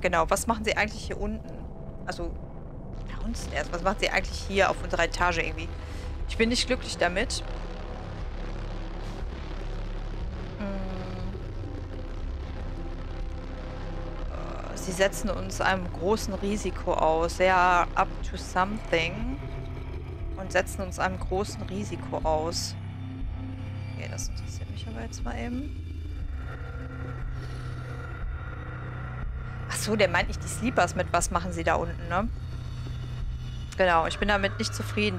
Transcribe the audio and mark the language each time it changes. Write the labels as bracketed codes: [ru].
[de] Genau, was machen sie eigentlich hier unten? Also, downstairs. Was machen sie eigentlich hier auf unserer Etage irgendwie? Ich bin nicht glücklich damit. Sie setzen uns einem großen Risiko aus. [en] They are up to something. [de] Und setzen uns einem großen Risiko aus. Okay, das interessiert mich aber jetzt mal eben. Achso, der meint nicht die Sleepers mit. Was machen sie da unten, ne? Genau, ich bin damit nicht zufrieden.